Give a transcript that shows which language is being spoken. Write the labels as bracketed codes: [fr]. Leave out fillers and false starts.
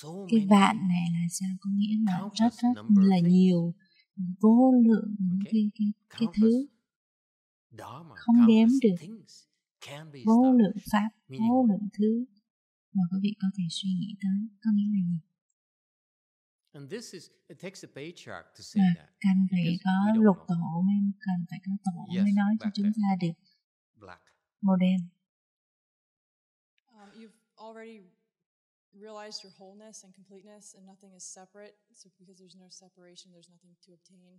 [vi] Cái vạn này là sao? Có nghĩa là rất là nhiều, vô lượng những cái thứ không đếm được, vô lượng pháp, vô lượng thứ mà quý vị có thể suy nghĩ tới. Có nghĩa là gì? [en] And this is it takes a patriarch to say that. [vi] Cần phải có lục tổ mới cần phải có tổ mới nói cho chúng ta được. [en] Black. [vi] Màu đen. [en] You've already realized your wholeness and completeness, and nothing is separate. So because there's no separation, there's nothing to obtain.